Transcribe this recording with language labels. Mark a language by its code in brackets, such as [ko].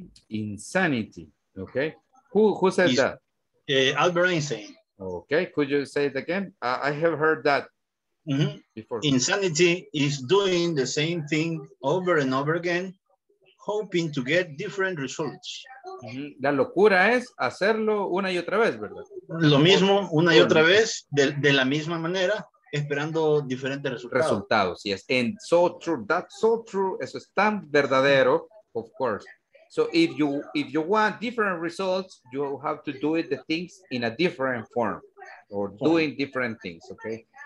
[en] Insanity, okay. Who said is, that? Albert Einstein. Okay, could you say it again? I have heard that before. Insanity is doing the same thing over and over again, hoping to get different results. [es] La locura es hacerlo una y otra vez, ¿verdad? Lo mismo, una y otra vez, de la misma manera, esperando diferentes resultados. Resultados, [en] yes. And so true, that's so true. [es] Eso es tan verdadero, [en] of course. So if you want different results, you have to do it the things in a different form or doing different things, okay?